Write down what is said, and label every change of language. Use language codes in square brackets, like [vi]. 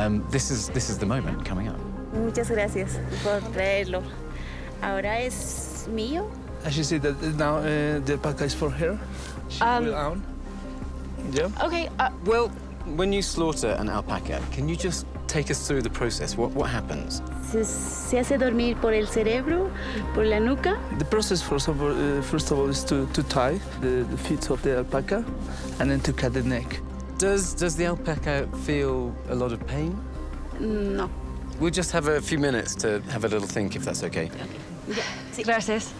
[en] This is the moment coming up. [es] Muchas gracias por traerlo. Ahora es mío. [en] As you see, the alpaca is for her. She will own. Yeah. Okay. Well, when you slaughter an alpaca, can you just take us through the process? What happens? [es] Se hace dormir por el cerebro, por la nuca. [en] The process, first of all, is to tie the feet of the alpaca, and then to cut the neck. Does the alpaca feel a lot of pain? No. We'll just have a few minutes to have a little think, if that's okay. Yeah. [es] Gracias.